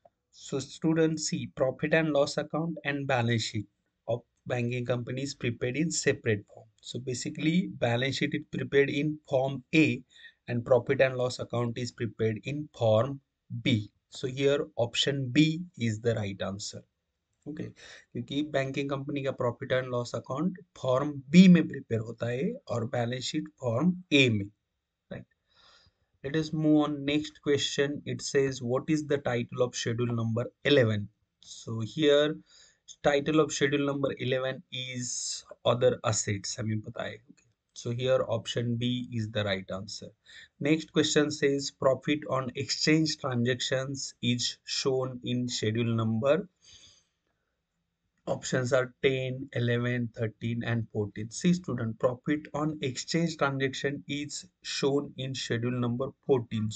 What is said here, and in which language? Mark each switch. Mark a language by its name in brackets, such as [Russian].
[English] So student C, profit and loss account and balance sheet of banking company is prepared in separate form. So basically balance sheet is prepared in form A and profit and loss account is prepared in form B. So here option B is the right answer. [Hindi] क्योंकि banking company का profit and loss account form B में prepare होता है और balance sheet form ए में. [English] Right, let us move on next question. It says what is the title of schedule number 11. So here title of schedule number 11 is other assets, [Hindi] हमें पता है. [English] So here option B is the right answer. Next question says profit on exchange transactions is shown in schedule number. Options are 10, 11, 13 and 14. See student, profit on exchange transaction is shown in schedule number 14.